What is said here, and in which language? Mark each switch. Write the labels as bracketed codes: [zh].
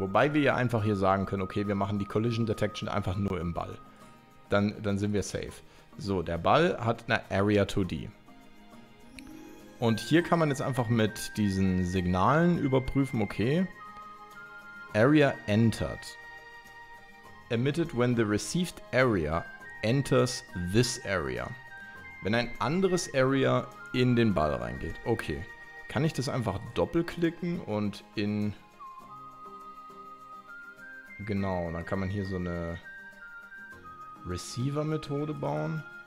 [de] Wobei wir ja einfach hier sagen können, okay, wir machen die Collision Detection einfach nur im Ball. Dann sind wir safe. So, der Ball hat eine Area 2D. Und hier kann man jetzt einfach mit diesen Signalen überprüfen, okay. [en] Area entered. Emitted when the received area enters this area. [de] Wenn ein anderes Area in den Ball reingeht. Okay. Kann ich das einfach doppelklicken und in... Genau, dann kann man hier so eine Receiver-Methode bauen.